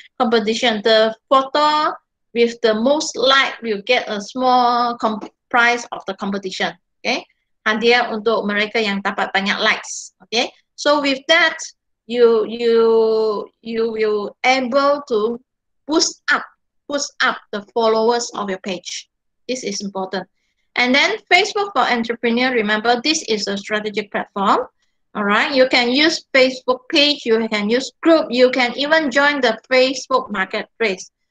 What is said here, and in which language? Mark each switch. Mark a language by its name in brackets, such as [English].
[English] Competition, the photo with the most like will get a small prize of the competition, okay? [Malay] Hadiah untuk mereka yang dapat banyak likes, okay? [English] So with that, you will able to boost up the followers of your page. This is important. And then Facebook for entrepreneur, remember this is a strategic platform. All right, you can use Facebook page, you can use group, you can even join the Facebook marketplace.